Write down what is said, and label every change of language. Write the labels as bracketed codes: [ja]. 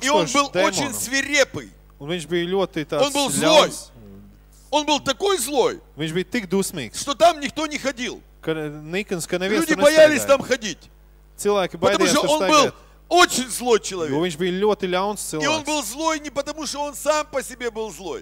[ru] демонов. И он был очень свирепый. [lv] Un viņš bija ļoti tāds. [ru] Он был злой. Он был такой злой. [lv] Viņš bija tik dusmīgs. [ru] Что там никто не ходил. [lv] Ka neviens [ru] люди боялись там ходить. [lv] Cilvēki baidījās tur staigāt. [ru] Очень злой человек. [lv] Jo viņš bija ļoti ļauns cilvēks. [ru] И он был злой не потому, что он сам по себе был злой.